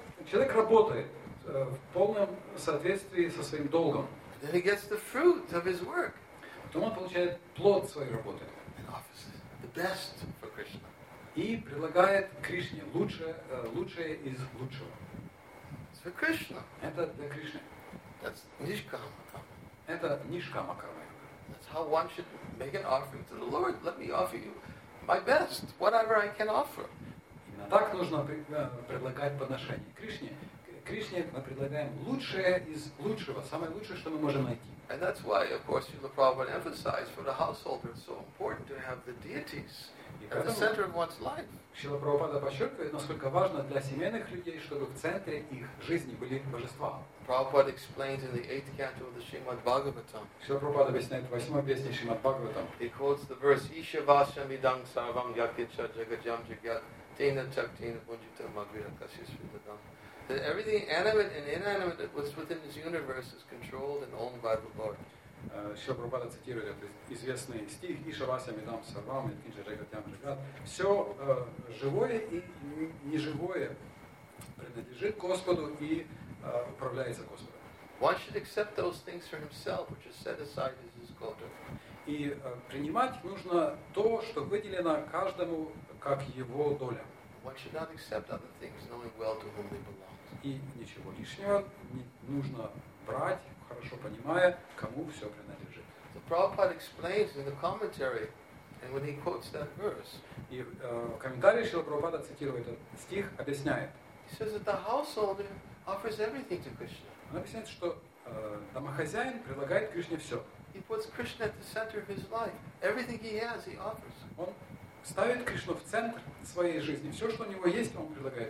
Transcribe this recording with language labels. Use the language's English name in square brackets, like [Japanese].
[Russian] Человек работает в полном соответствии со своим долгом. [English] Then he gets the fruit of his work. [Russian] Потом он получает плод своей работы. [English] The best for Krishna. [Russian] И предлагает Кришне лучшее из лучшего. [English] It's for Krishna. [Russian] Это для Кришны. [English] That's nishkama. [Russian] Это нишкама карма. [English] That's how one should make an offering to the Lord. Let me offer you my best, whatever I can offer. [Russian] Именно так нужно предлагать подношение Кришне. Кришне мы предлагаем лучшее из лучшего, самое лучшее, что мы можем найти. [English] And that's why, of course, Srila Prabhupada emphasized for the householder it's so important to have the deities at the center of one's life. [Russian] Srila Prabhupada подчеркивает, насколько важно для семейных людей, чтобы в центре их жизни были божества. [English] Prabhupada explains in the 8th canto of the Srimad Bhagavatam. [Russian] Srila Prabhupada объясняет в 8-й песне Srimad Bhagavatam. [English] He quotes the verse, [Sanskrit] Isha vasyam idang sarvam yakicha jagajam jagyat tena chaktena bunjita magriya kashisvitadam. [English] That everything animate and inanimate that was within this universe is controlled and owned by the Lord. [Russian] Шрила Прабхупада цитирует этот известный стих: [Sanskrit] "Иша васям идам сарвам йокинча джагатям джагат". [Russian] Все живое и неживое принадлежит Господу и управляется Господом. [English] One should accept those things for himself, which is set aside as his goda. [Russian] И принимать нужно то, что выделено каждому как его доля. [English] One should not accept other things, knowing well to whom they belong. [Russian] И ничего лишнего не нужно брать, хорошо понимая, кому все принадлежит. [English] So Prabhupada explains in the commentary, and when he quotes that verse, [Russian] и в комментарии Шрила Прабхупада цитирует этот стих, объясняет. [English] He says that the householder offers everything to Krishna. [Russian] Он объясняет, что домохозяин предлагает Кришне все. [English] He puts Krishna at the center of his life. Everything he has, he offers. [Russian] Он ставит Кришну в центр своей жизни. Все, что у него есть, он предлагает